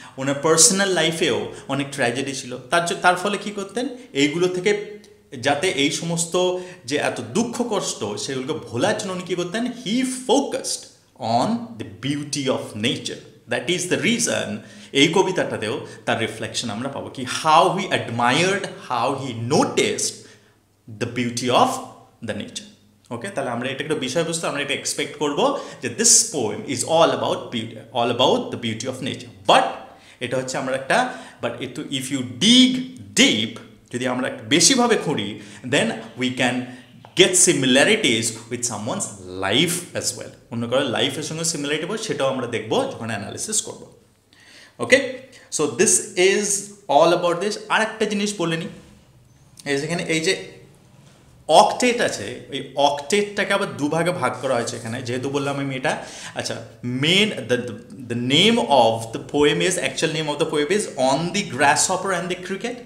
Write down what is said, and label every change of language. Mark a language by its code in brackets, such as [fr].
[bn] ওনার personal লাইফেও অনেক tragedy ছিল, তার ফলে কী করতেন, এইগুলো থেকে যাতে এই সমস্ত যে এত দুঃখ কষ্ট সেগুলোকে ভোলার জন্য উনি কী করতেন, [en] he focused on the beauty of nature, that is the reason [bn] এই কবিতাটাতেও তার রিফ্লেকশন আমরা পাবো কি [en] How he admired, how he noticed the beauty of the nature. Okay, [bn] তাহলে আমরা এটা একটা বিষয়বস্তু আমরা এটা এক্সপেক্ট করব যে [en] this poem is all about beauty, all about the beauty of nature. But [bn] এটা হচ্ছে আমরা একটা [en] but it, if you dig deep, [bn] যদি আমরা একটু বেশি ভাবে খুঁড়ি, [en] then we can get similarities with someone's life as well. [bn] অন্য কারো life এর সঙ্গে similarity বল সেটাও আমরা দেখব যখন analysis করব. [en] Okay, so this is all about this. [bn] আরেকটা জিনিস বলে নি, এখানে এই যে অকটেট আছে, ওই অকটেটটাকে আবার দুভাগে ভাগ করা হয়েছে এখানে, যেহেতু বললাম আমি এটা. [en] আচ্ছা, main the name of the poem is, actual name of the poem is on the grasshopper and the cricket.